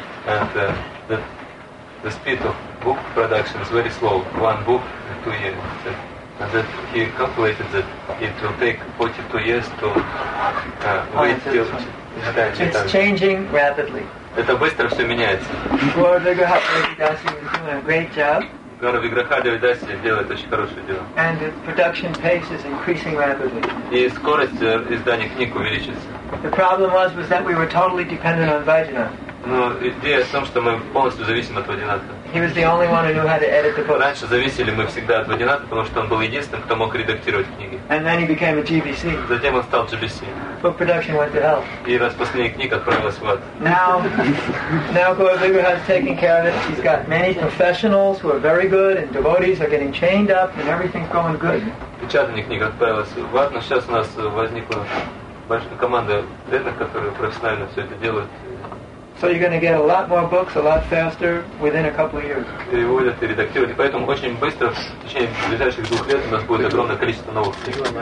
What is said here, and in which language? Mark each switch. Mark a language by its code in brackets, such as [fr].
[en] And that the speed of book production is very slow. 1 book, 2 years. And that he calculated that it will take 42 years to wait till... It's changing rapidly. [ru] Это быстро все меняется. [en] Gaurav Vigrahadevi Dasi is doing a great job. [ru] Гаурав Виграхадева Даси делает очень хорошее дело. [en] And the production pace is increasing rapidly. [ru] И скорость издания книг увеличится. [en] The problem was that we were totally dependent on Vajina. [ru] Но идея в том, что мы полностью зависим от Вадината. [en] He was the only one who knew how to edit the book. [ru] Раньше зависели мы всегда от Вадината, потому что он был единственным, кто мог редактировать книги. [en] And then he became a GBC. [ru] Затем он стал GBC. [en] Book production went to hell. [ru] И распространение книг отправилось в ад. [en] Now Gorlugu has taken care of it. He's got many professionals who are very good, and devotees are getting chained up, and everything's going good. [ru] Печатание книг отправилось в ад, но сейчас у нас возникла большая команда преданных, которые профессионально все это делают. [en] So you're going to get a lot more books, a lot faster, within a couple of years. [ru] Переводят и редактируют. И поэтому очень быстро, в течение ближайших двух лет, у нас будет огромное количество новых книг.